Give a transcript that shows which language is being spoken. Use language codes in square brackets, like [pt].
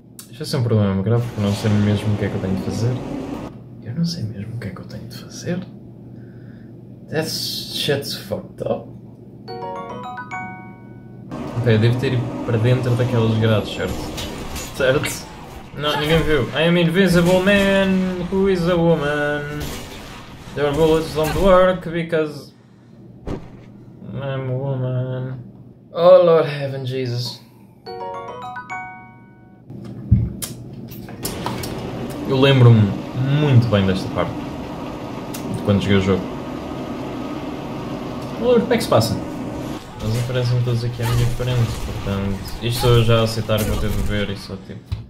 [pt] Isto vai ser um problema grave porque não sei mesmo o que é que eu tenho de fazer. Não sei mesmo o que é que eu tenho de fazer. [en] That shit's fucked up. [pt] Ok, eu devo ter ido para dentro daquelas grades, certo? Certo? Não, ninguém viu. [en] I am invisible man who is a woman. Their bullets don't work because... I'm a woman. Oh Lord Heaven Jesus. [pt] Eu lembro-me muito bem desta parte. De quando joguei o jogo. Olha, como é que se passa? Eles aparecem todos aqui à minha frente, portanto. Isto eu já aceitar que vou ter de ver e só tipo.